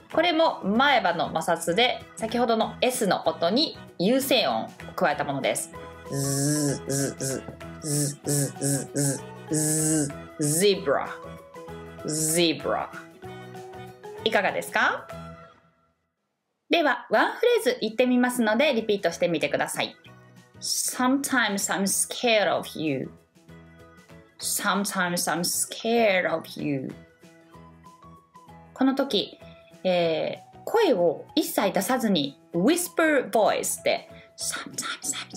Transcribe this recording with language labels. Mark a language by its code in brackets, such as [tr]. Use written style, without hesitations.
[ja] これも前歯の摩擦で、先ほどの S の音に有声音を加えたものです。 [en] Z、 Z、 Z、 Z、 Z、 Z、 Z、 Zebra、Zebra。 [ja] いかがですか？ではワンフレーズ言ってみますので、リピートしてみてください。 [en] Sometimes I'm scared of you. Sometimes I'm scared of you. [ja] この時、声を一切出さずに [en] Whisper voice [ja] で [en] Sometimes